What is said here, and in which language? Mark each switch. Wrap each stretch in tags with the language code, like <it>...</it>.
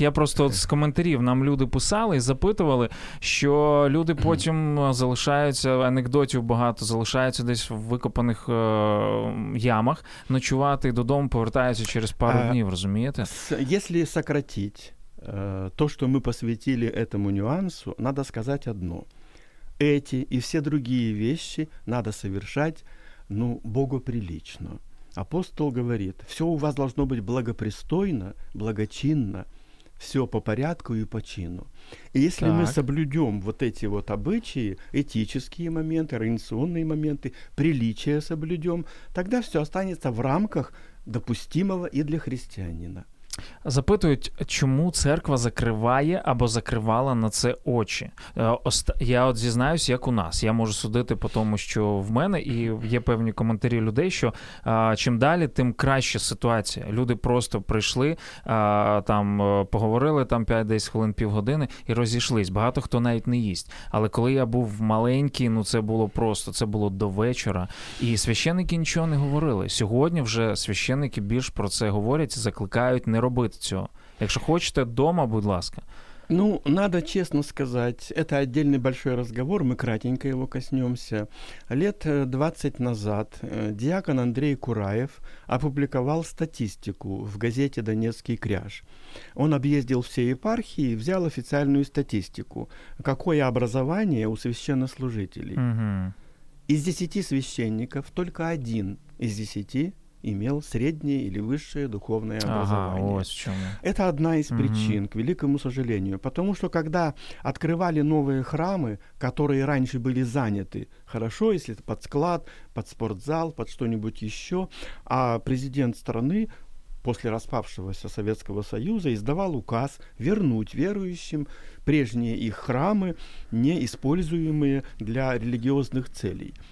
<uk>Я просто з коментарів нам люди писали і запитували, що люди потім залишаються, анекдотів багато залишаються десь в викопаних ямах ночувати і додому повертаються через пару днів, розумієте? Якщо сократити то, що ми посвятили цьому нюансу, треба сказати одно. Ці і всі інші речі треба совершати, ну, богоприлично.</uk> <ru>Апостол говорит, все у вас должно быть благопристойно, благочинно, все по порядку и по чину. И если мы соблюдем вот эти вот обычаи, этические моменты, организационные моменты, приличия соблюдем, тогда все останется в рамках допустимого и для христианина.</ru> <uk>Запитують, чому церква закриває або закривала на це очі. Я от зізнаюсь, як у нас. Я можу судити по тому, що в мене, і є певні коментарі людей, що чим далі, тим краще ситуація. Люди просто прийшли, там поговорили там 5-10 хвилин, півгодини і розійшлись. Багато хто навіть не їсть. Але коли я був маленький, ну це було просто, це було до вечора. І священники нічого не говорили. Сьогодні вже священники більш про це говорять, закликають не робити цього. Якщо хочете, дома, будь ласка. Ну, надо чесно сказати, це окремий великий розговор, ми кратенько його коснемося.</uk> <ru>Лет 20 назад</ru> <uk>діакон Андрій Кураєв опублікував статистику в газеті «Донецький кряж». Он об'їздив всі єпархії і взяв офіційну статистику.</uk> <ru>Какое образование у священнослужителей? Угу.</ru> <uk>Із 10 священників тільки один із 10 имел среднее или высшее духовное образование.</uk> <ru>Ага, вот в чём. Это одна из причин, к великому сожалению. Потому что когда открывали новые храмы, которые раньше были заняты, хорошо, если под склад, под спортзал, под что-нибудь еще, а президент страны после распавшегося Советского Союза издавал указ вернуть верующим прежние их храмы, не используемые для религиозных целей.</ru>